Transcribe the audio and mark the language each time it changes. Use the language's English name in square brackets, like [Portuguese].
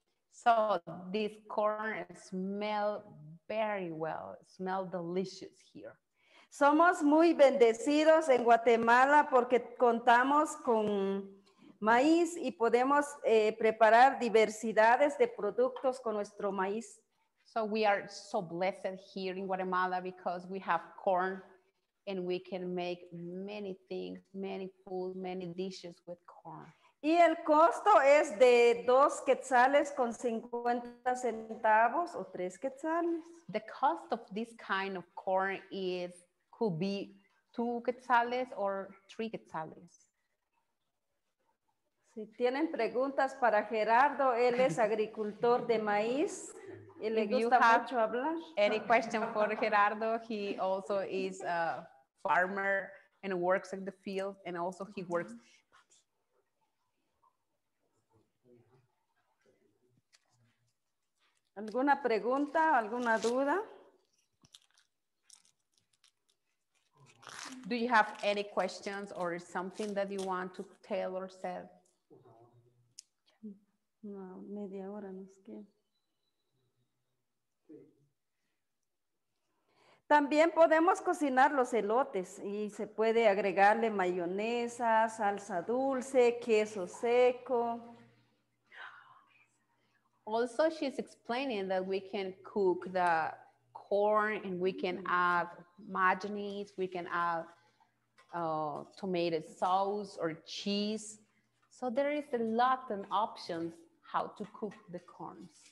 [English] So this corn smells very well. It smells delicious here. [Spanish] Somos muy bendecidos en Guatemala porque contamos con maíz y podemos preparar diversidades de productos con nuestro maíz. [English] So we are so blessed here in Guatemala because we have corn and we can make many things, many food, many dishes with corn. [Spanish] Y el costo es de 2 quetzales con 50 centavos o 3 quetzales. [English] The cost of this kind of corn is, could be 2 quetzales or 3 quetzales. [Spanish] Si tienen preguntas para Gerardo, él es agricultor de maíz y le gusta mucho hablar. [English] Any question for Gerardo? He also is a farmer and works in the field and also he works. [Spanish] ¿Alguna pregunta, alguna duda? [English] Do you have any questions or something that you want to tell or say? [Spanish] No, media hora, no es que. También podemos cocinar los elotes y se puede agregarle mayonesa, salsa dulce, queso seco. [English] Also, she's explaining that we can cook the corn and we can add mayonnaise, we can add tomato sauce or cheese. So there is a lot of options how to cook the corns.